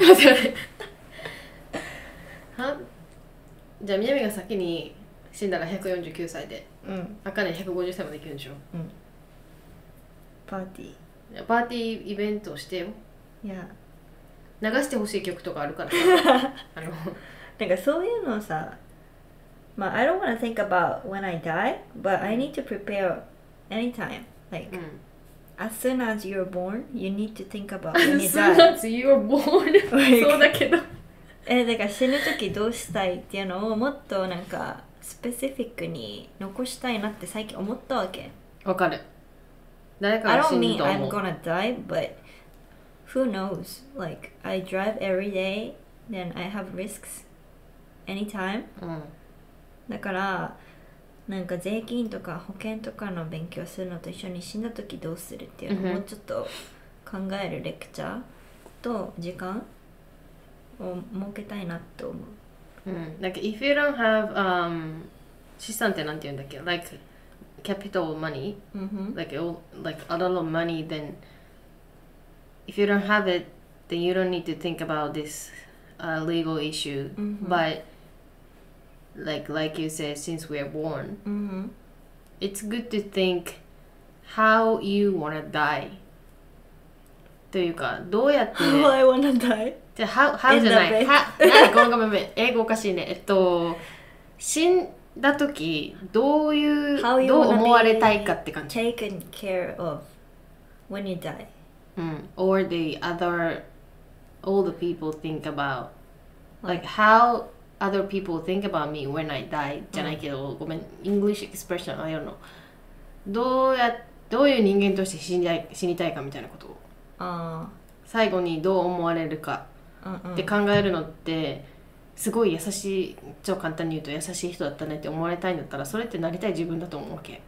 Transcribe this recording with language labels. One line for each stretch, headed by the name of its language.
Japanese: じゃあみなみが先に死んだら149歳で、うん、あかね150歳まで行くんでしょ、うん、パーティー、パーティーイベントをしてよ。いや、流してほしい曲とかあるからなんかそういうのさ、まあ
English: I don't wanna think about when I die, but I need to prepare anytime, like、
Japanese: うん、
English: as soon as you're born, you need to think about when you die. As soon as you're born,
Japanese: そうだけど、だから死ぬときどうしたいっていうのをもっとなんかスペシフィックに残したいなって最近思ったわけ。わかる。誰かが死ぬと思う。
English: I don't mean I'm gonna die, but who knows? Like I drive every day, then I have risks anytime.、
Japanese: うん、だからなんか税金とか保険とかの勉強するのと一緒に死んだ時どうするっていうのをもうちょっと考えるレクチャーと時間を設けたいなと思う。
English: うん、like if you don't have、
Japanese: 資産ってなんて言うんだっけ、
English: like capital money、 mm-hmm. like a lot of money, then if you don't have it, then you don't need to think about this、legal issue、 mm-hmm. but like you said, since we are born、 mm-hmm. it's good to think how you wanna die
Japanese: というか、どうやって、
English: ね、how I wanna die?
Japanese: How じゃない。なんかごめん。英語おかしいね。死んだ時どういう、どう思われたいかって感じ。
English: Taken care of when you die.
Japanese: うん。
English: Or the other, all the people think about, like how other people think about me when I die
Japanese: じゃないけど、うん、ごめん。
English: English expression, I don't know.
Japanese: どういう人間として死にたいかみたいなことを。最後にどう思われるか。うんうん、考えるのってすごい優しい、超簡単に言うと優しい人だったねって思われたいんだったら、それってなりたい自分だと思うわけ、